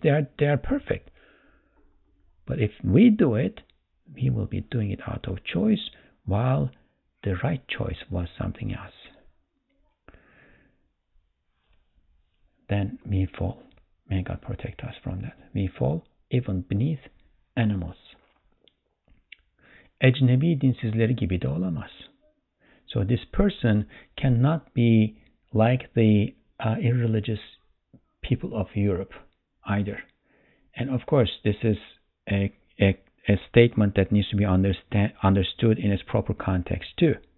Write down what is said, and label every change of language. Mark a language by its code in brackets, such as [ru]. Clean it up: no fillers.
[en] They are perfect. But if we do it, we will be doing it out of choice, while the right choice was something else. Then we fall. May God protect us from that. We fall even beneath animals. [tr] Ecnebi dinsizleri gibi de olamaz. [en] So this person cannot be like the irreligious people of Europe either. And of course, this is a statement that needs to be understood in its proper context too.